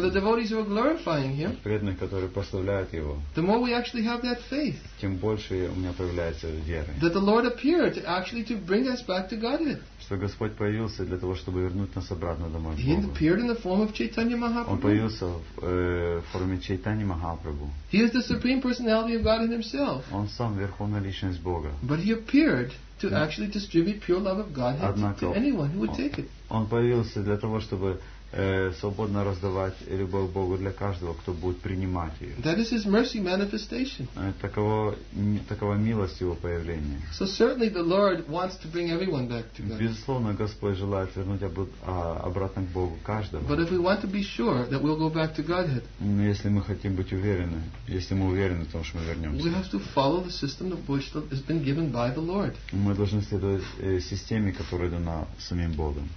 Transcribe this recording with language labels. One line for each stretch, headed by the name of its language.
English: from the devotees who are glorifying him,
Russian: преданных, которые прославляют его,
English: the more we actually have that faith,
Russian: тем больше у меня появляется веры,
English: that the Lord appeared actually to bring us back to Godhead.
Russian: Что Господь появился для того, чтобы вернуть нас обратно домой к Богу.
English: He appeared in the form of Chaitanya Mahaprabhu.
Russian: Он появился в форме Чайтани Махапрабху.
English: He is the supreme personality of Godhead himself.
Russian: Он сам верховная личность Бога.
English: But he appeared to actually distribute pure love of Godhead to anyone who would take it.
Russian: Он появился для того, чтобы свободно раздавать любовь к Богу для каждого, кто будет принимать ее.
English: That is his mercy manifestation.
Russian: Такова милость его появления.
English: So certainly the Lord wants to bring everyone back to God.
Russian: Безусловно, Господь желает вернуть обратно к Богу каждого.
English: But if we want to be sure that we'll go back to Godhead.
Russian: Но если мы хотим быть уверены, если мы уверены в том, что мы вернемся.
English: We have to follow the system of which has been given by the Lord.
Russian: Мы должны следовать системе, которая дана самим Богом.